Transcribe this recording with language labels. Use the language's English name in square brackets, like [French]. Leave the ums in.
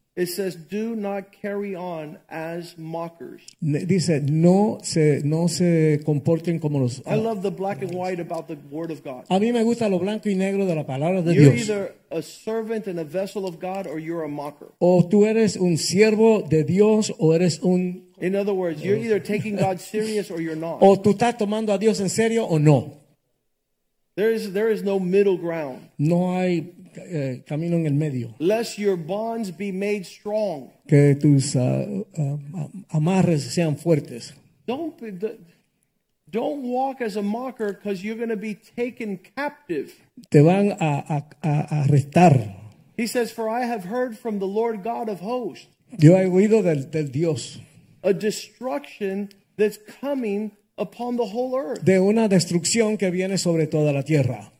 [English] It says, "Do not carry on as mockers." [Spanish] Dice, no se, no se comporten como los. [English] I love the black and white about the word of God. [Spanish] A mí me gusta lo blanco y negro de la palabra de [English] you're [Spanish] Dios. [English] You're either a servant and a vessel of God, or you're a mocker. [Spanish] O tú eres un siervo de Dios, o eres un. [English] In other words, you're either taking God serious or you're not. [Spanish] O tú estás tomando a Dios en serio o no. [English] There is there is no middle ground. [Spanish] No hay C- uh, [English] Lest your bonds be made strong. [Spanish] Que tus uh, uh um, sean fuertes. [English] Don't be, the, Don't walk as a mocker because you're going to be taken captive. [Spanish] Te van a, arrestar. [English] He says, For I have heard from the Lord God of hosts [Spanish] Yo he oído del, del Dios. [English] a destruction that's coming upon the whole earth. [Spanish] De una destrucción que viene sobre toda la tierra.